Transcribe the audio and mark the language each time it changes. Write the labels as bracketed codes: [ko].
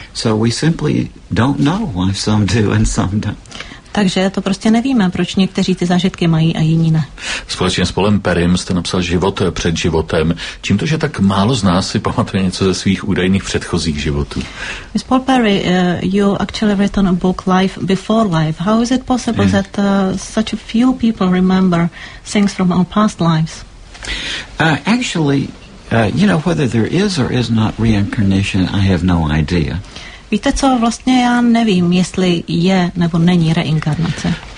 [en] So we simply don't know why some do and some don't. [cs] Takže to prostě nevíme, proč někteří ty zážitky mají a jiní ne. Společně s Paulem Perrym jste napsal Život před životem. Čím to, že tak málo z nás si pamatuje něco ze svých údajných předchozích životů? [en] Miss Paul Perry, you actually written a book Life Before Life. How is it possible that such a few people remember things from our past lives? Whether there is or is not reincarnation, I have no idea. [cs] Víte co, vlastně já nevím, jestli je nebo není reinkarnace.